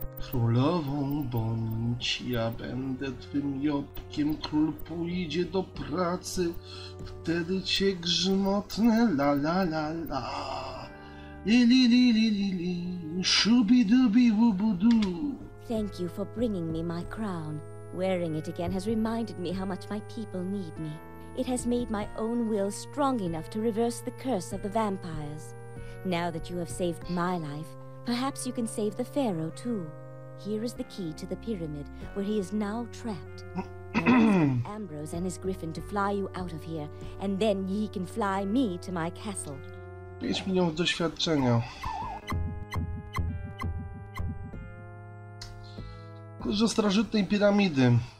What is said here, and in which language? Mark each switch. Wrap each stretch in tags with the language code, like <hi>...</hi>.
<pl>Królową bądź, ja będę twym jobkiem, król pójdzie do pracy, wtedy cię grzmotnę, la la la la. Li li li li li, shubi dubi wubudu.</pl> <en>Thank you for bringing me my crown. Wearing it again has reminded me how much my people need me. It has made my own will strong enough to reverse the curse of the vampires. Now that you have saved my life, perhaps you can save the pharaoh too. Here is the key to the pyramid, where he is now trapped. Ambrose and his griffin to fly you out of here, and then ye can fly me to my castle.</en> <pl>5 milionów doświadczenia. Kurze starożytnej piramidy.</pl>